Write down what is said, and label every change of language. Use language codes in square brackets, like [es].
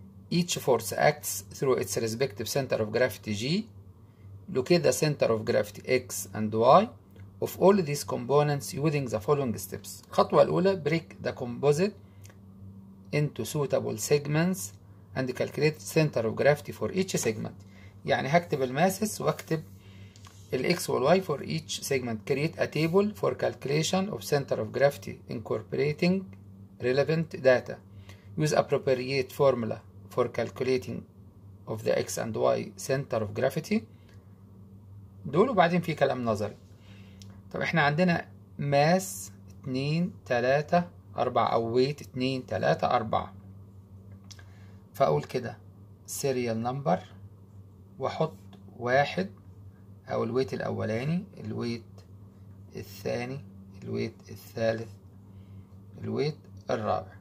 [en] Each force acts through its respective center of gravity G. Locate the center of gravity X and Y of all these components using the following steps. [ar] خطوة الأولى, [en] break the composite into suitable segments and calculate center of gravity for each segment. [ar] يعني هكتب الماسس واكتب ال X وال Y [en] for each segment. Create a table for calculation of center of gravity incorporating relevant data. Use appropriate formula for calculating of the X and Y center of gravity. [ar] دول وبعدين في كلام نظري. طب احنا عندنا ماس 2 3 4 او ويت 2 3 4, فاقول كده سيريال نمبر واحط واحد او الويت الاولاني, الويت الثاني, الويت الثالث, الويت الرابع.